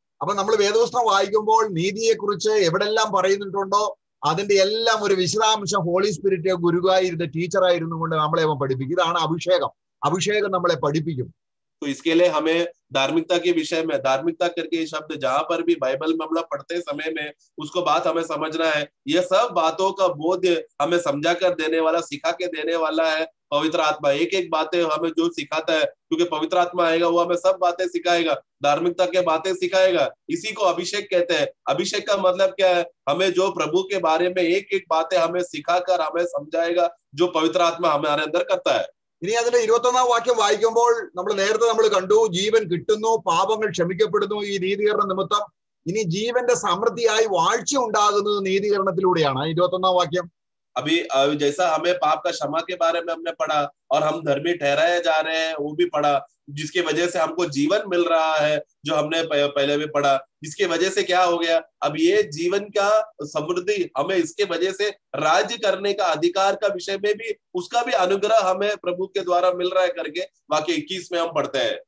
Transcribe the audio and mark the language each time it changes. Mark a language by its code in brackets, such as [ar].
[ml] അപ്പൊ നമ്മൾ വേദപുസ്തകം വായിക്കുമ്പോൾ നീതിയെ കുറിച്ച് എവിടെല്ലാം പറയുന്നിട്ടുണ്ടോ അതിന്റെ എല്ലാം ഒരു വിശദാംശം ഹോളി സ്പിരിറ്റ് ഗുരുവായിരുന്ന ടീച്ചറായിരുന്നു കൊണ്ട് നമ്മളെ പഠിപ്പിക്കും ഇതാണ് അഭിഷേകം അഭിഷേകം നമ്മളെ പഠിപ്പിക്കും [hi] तो इसके लिए हमें धार्मिकता के विषय में धार्मिकता करके ये शब्द जहां पर भी बाइबल में हम लोग पढ़ते समय में उसको बात हमें समझना है ये सब बातों का बोध हमें समझा कर देने वाला सिखा के देने वाला है पवित्र आत्मा एक एक बातें हमें जो सिखाता है क्योंकि पवित्र आत्मा आएगा वो हमें सब बातें सिखाएगा धार्मिकता के बातें सिखाएगा इसी को अभिषेक कहते हैं अभिषेक का मतलब क्या है हमें जो प्रभु के बारे में एक एक बातें हमें सिखा कर हमें समझाएगा जो पवित्र आत्मा हमारे अंदर करता है [ml] ഇനി അതിന്റെ 21-ാം വാക്യം വായിക്കുമ്പോൾ നമ്മൾ നേരത്തെ നമ്മൾ കണ്ടു ജീവൻ കിട്ടുന്നു പാപങ്ങൾ ക്ഷമിക്കപ്പെടുന്നു ഈ നീതീകരണ നിമിത്തം ഇനി ജീവന്റെ സമൃദ്ധിയായി വാഴ്ച ഉണ്ടാകുന്നത് നീതീകരണത്തിലൂടെയാണ് 21-ാം വാക്യം [hi] अभी जैसा हमें पाप का क्षमा के बारे में हमने पढ़ा और हम धर्मी ठहराए जा रहे हैं वो भी पढ़ा जिसके वजह से हमको जीवन मिल रहा है जो हमने पहले भी पढ़ा जिसके वजह से क्या हो गया अब ये जीवन का समृद्धि हमें इसके वजह से राज्य करने का अधिकार का विषय में भी उसका भी अनुग्रह हमें प्रभु के द्वारा मिल रहा है करके वाक्य 21 में हम पढ़ते